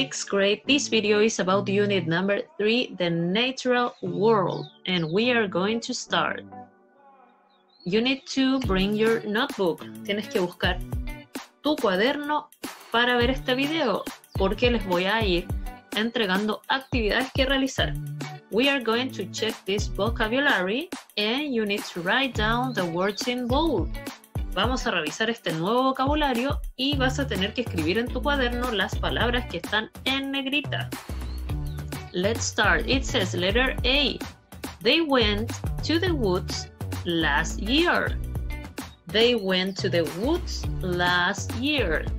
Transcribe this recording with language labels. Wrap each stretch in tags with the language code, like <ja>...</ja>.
<en>Today, this video is about unit number 3, the natural world, and we are going to start. You need to bring your notebook.</en> <es>Tienes que buscar tu cuaderno para ver este video, porque les voy a ir entregando actividades que realizar.</es> <en>We are going to check this vocabulary, and you need to write down the words in bold.</en> <es>Vamos a revisar este nuevo vocabulario y vas a tener que escribir en tu cuaderno las palabras que están en negrita.</es> <en>Let's start. It says letter A. They went to the woods last year. They went to the woods last year.</en>